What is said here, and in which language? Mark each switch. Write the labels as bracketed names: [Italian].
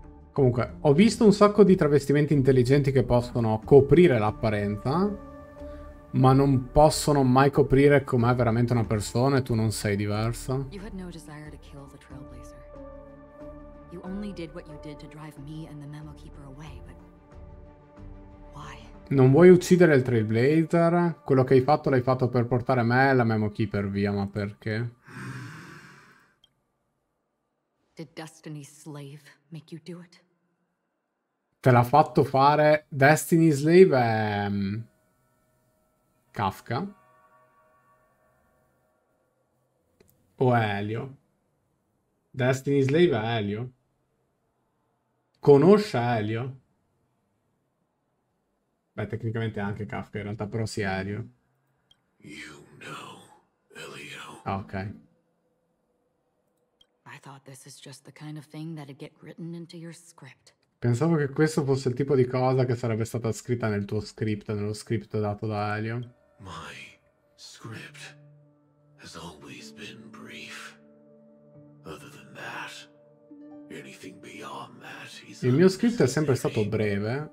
[Italian] Comunque, ho visto un sacco di travestimenti intelligenti che possono coprire l'apparenza, ma non possono mai coprire com'è veramente una persona e tu non sei diversa. [English] You had no desire to kill the Trailblazer. You only did what you did to drive me and the Memo Keeper away, but why? [Italian] Non vuoi uccidere il Trailblazer? Quello che hai fatto l'hai fatto per portare me e la Memo Keeper via, ma perché? [English] Did Destiny's slave make you do it? [Italian] te l'ha fatto fare Destiny Slave è Kafka o è Elio? Destiny Slave è Elio? Conosce Elio? Beh, tecnicamente è anche Kafka in realtà, però sì, è Elio. [English] You know, Elio. Ok. I thought this is just the kind of thing that'd get written into your script. [Italian] Pensavo che questo fosse il tipo di cosa che sarebbe stata scritta nel tuo script, nello script dato da Elio. [English] My script has always been brief. Other than that, anything beyond that is... [Italian] Il mio script è sempre stato breve.